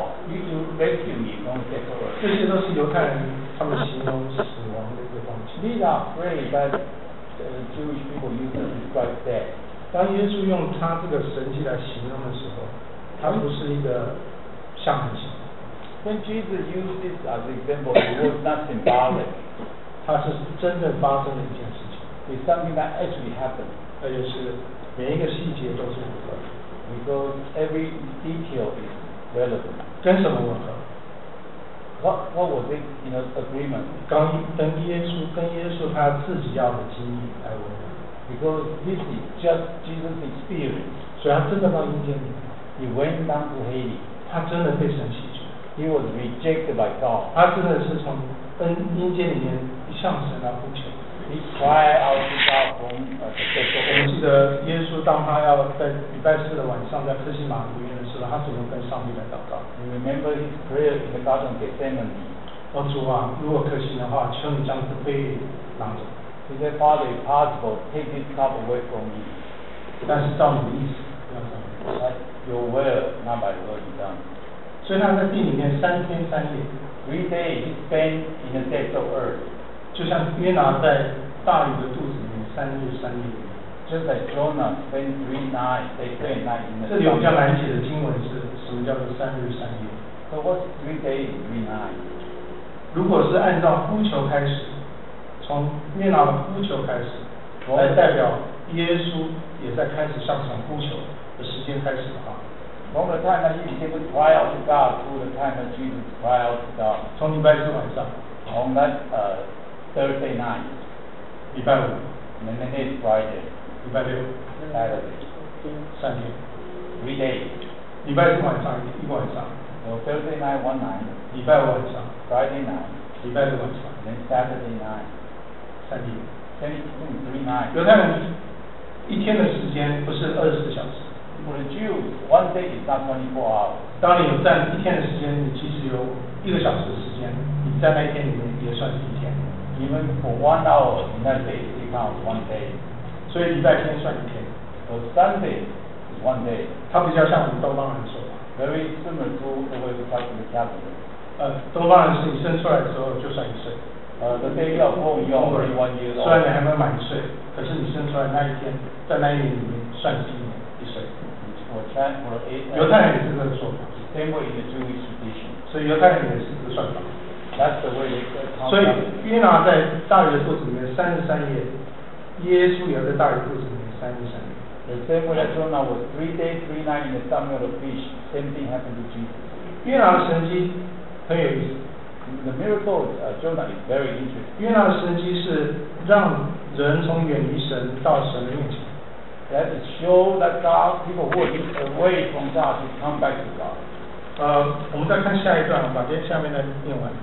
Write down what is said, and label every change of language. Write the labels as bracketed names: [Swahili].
[English] Oh, you rescue me from the depths of earth. [Chinese] 这些都是犹太人他们形容死亡。 [English] These are phrases that Jewish people use to describe death. [Chinese] 当耶稣用他这个神迹来形容的时候，他不是一个象征性。 [English] When Jesus used this as an example, it was not symbolic. [Chinese] 它是真的发生的一件事情。 [English] It's something that actually happened. [Chinese] 而且是每一个细节都是符合。 [English] Because every detail is relevant. [Chinese] 跟什么吻合？ [English] What was it in an agreement? [Chinese] 跟耶稣他自己要的经历来吻合。 [English] Because this is just Jesus' experience. [Chinese] 所以他真的到阴间里。 [English] He went down to Hades. [Chinese] 他真的被神弃绝。 [English] He was rejected by God. [Chinese] 他真的是从阴间里面向神来呼求。 [English] He cried out to God from the depths of hell. [Chinese] 我记得耶稣当他要在礼拜四的晚上在克西马尼园的时候，他怎么跟上帝来祷告 [English] ？You remember his prayer in the Garden of Gethsemane. [Chinese] 哦，主啊，如果可行的话，求你将这杯拿走。 [English] He said, Father, if possible, take this cup away from me. [Chinese] 但是照你的意思，不要照我的意思。 [English] Your will, not my will, be done. [Chinese] 所以他在地里面三天三夜 [English] ，three days, he spent in the depths of earth. [Chinese] 就像约拿在大鱼的肚子里面三日三夜 [English] ，just like Jonah spent three nights, day three nights. [Chinese] 这里比较难解的经文是什么叫做三日三夜 [English] ？So what's three days, three nights? [Chinese] 如果是按照呼求开始，从约拿的呼求开始，来代表耶稣也在开始向神呼求的时间开始的话。 [English] From the time that he was cry out to God, through the time that Jesus cry out to God. [Chinese] 从礼拜四晚上 [English] ，from that Thursday night, [Chinese] 礼拜五 [English] ，and then it's Friday, [Chinese] 礼拜六 [English] ，Saturday, [Chinese] 三天 [English] ，three days, [Chinese] 礼拜四晚上一晚上 [English] ，so Thursday night one night, [Chinese] 礼拜五晚上 [English] ，Friday night, [Chinese] 礼拜六晚上 [English] ，then Saturday night, [Chinese] 三天 [English] ，Saturday three nights. [Chinese] 犹太人一天的时间不是二十四小时 [English] ，For the Jews, one day is not 24 hours. [Chinese] 当你占一天的时间，你其实有一个小时的时间，你在那一天里面也算是一天。 [English] Even for 1 hour in that day, it counts one day. [Chinese] 所以礼拜天算一天。 [English] So Sunday is one day. [Chinese] 它比较像我们东方人说的。 [English] Very similar to the way we talk to the calendar. [Chinese] 东方人是你生出来的时候就算一岁。 [English] The day of home, you are only 1 year old. [Chinese] 虽然你还没满一岁，可是你生出来那一天，在那一年里面算今年一岁。犹太人也是这个说法。 [English] The same way in the Jewish tradition. [Chinese] 所以犹太人也是这个算法。 [English] That's the way they [Chinese] 所以约拿在大鱼的肚子里面三十三夜，耶稣也在大鱼肚子里面三十三夜。 [English] The same way that Jonah was three days, three nights in the stomach of the fish, same thing happened to Jesus. [Chinese] 约拿的神迹很有意思。 [English] the miracle of Jonah is very interesting. [Chinese] 约拿的神迹是让人从远离神到神的面前。 [English] That it show that God people would be away from God to come back to God. [Chinese] 我们再看下一段，把这下面的念完。